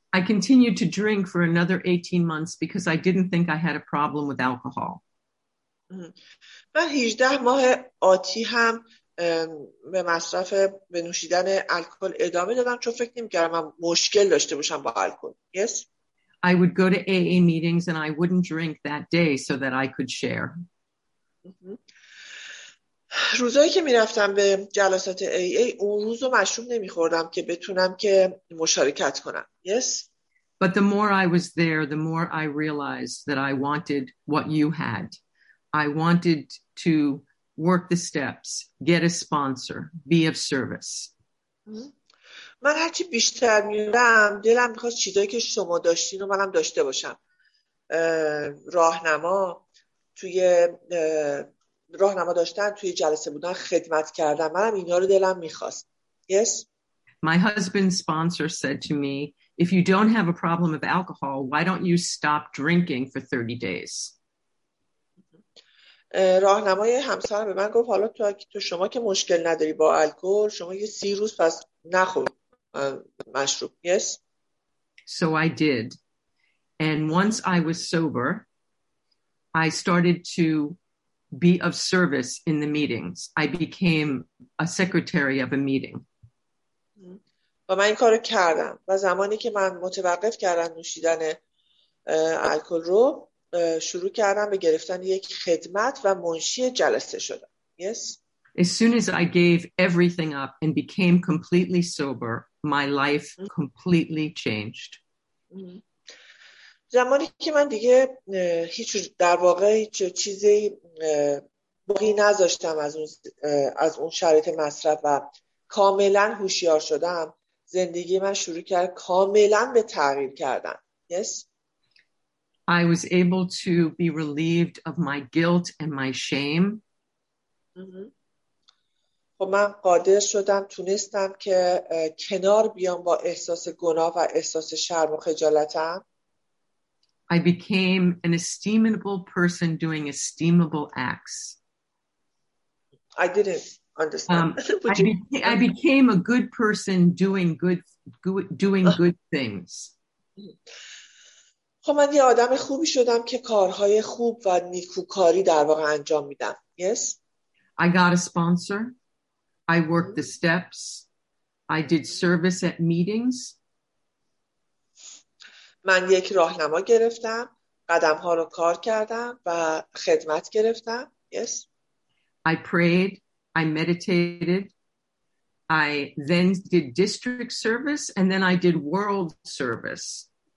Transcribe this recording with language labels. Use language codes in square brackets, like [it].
[en] I continued to drink for another 18 months because I didn't think I had a problem with alcohol. [fa] من 18 ماه آتی هم به مصرف به نوشیدن الکل ادامه دادم چون فکر نمی‌کردم من مشکل داشته باشم با الکل. [en] Yes? I would go to AA meetings and I wouldn't drink that day so that I could share. [fa] روزایی که می رفتم به جلسات AA اون روز رو مشروب نمی خوردم که بتونم که مشارکت کنم. [en] Yes? But the more I was there, the more I realized that I wanted what you had. I wanted to work the steps, get a sponsor, be of service. [fa] من هرچی بیشتر می رفتم دلم می خواست چیزایی که شما داشتین رو منم داشته باشم. راهنما توی راهنما داشتن توی جلسه بودن خدمت کردم منم اینا رو دلم می‌خواست. [en] Yes. My husband's sponsor said to me, if you don't have a problem with alcohol, why don't you stop drinking for 30 days? [fa] راهنمای همسرم به من گفت حالا تو شما که مشکل نداری با الکل شما یه 30 روز پس نخور مشروب. [en] Yes. So I did. And once I was sober, I started to be of service in the meetings. I became a secretary of a meeting. [fa] و من این کارو کردم. و زمانی که من متوقف کردم نوشیدن الکل رو شروع کردم به گرفتن یک خدمت و منشی جلسه شدم. [en] Yes. As soon as I gave everything up and became completely sober, my life completely changed. [fa] زمانی که من دیگه هیچ در واقع هیچ چیزی باقی نذاشتم از اون شرایط مصرف و کاملا هوشیار شدم زندگی من شروع کرد کاملا به تغییر کردن. [en] Yes. I was able to be relieved of my guilt and my shame. [fa] خب من قادر شدم تونستم که کنار بیام با احساس گناه و احساس شرم و خجالتم. [en] I became an estimable person doing estimable acts. I didn't understand. I became a good person doing good things. [fa] خب من یه آدم خوبی شدم که کارهای خوب و نیکوکاری در واقع انجام میدم. [en] Yes? I got a sponsor. I worked the steps. I did service at meetings. [fa] من یک راهنما گرفتم، قدم ها رو کار کردم و خدمت گرفتم. [en] Yes. I prayed, I meditated, I then did district service and then I did world service.